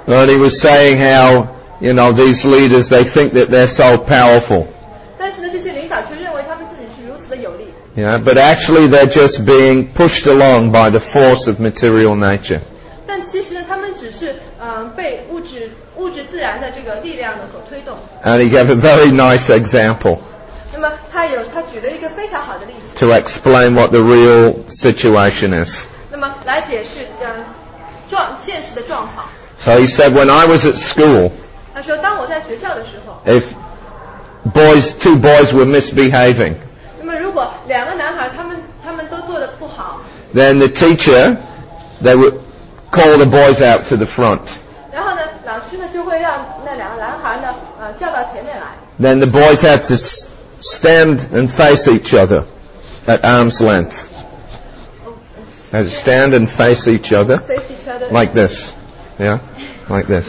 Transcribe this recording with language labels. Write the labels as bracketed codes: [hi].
[en] But he was saying how, you know, these leaders, they think that they're so powerful. [zh] 但是呢，这些领导却认为他们自己是如此的有力。 [en] Yeah, but actually they're just being pushed along by the force of material nature. [zh] 但其实呢，他们只是被物质自然的这个力量呢所推动。 [en] And he gave a very nice example. [zh] 那么他举了一个非常好的例子。 [en] To explain what the real situation is. [zh] 那么来解释现实的状况。 [en] So he said, when I was at school. [zh] 他说，当我在学校的时候。 [en] If two boys were misbehaving. [zh] 那么如果两个男孩他们都做得不好， [en] then the teacher, they would call the boys out to the front. [zh] 然后呢，老师呢就会让那两个男孩呢叫到前面来。 [en] Then the boys have to stand and face each other at arm's length. As stand and face each other. Face each other. Like this, yeah, like this.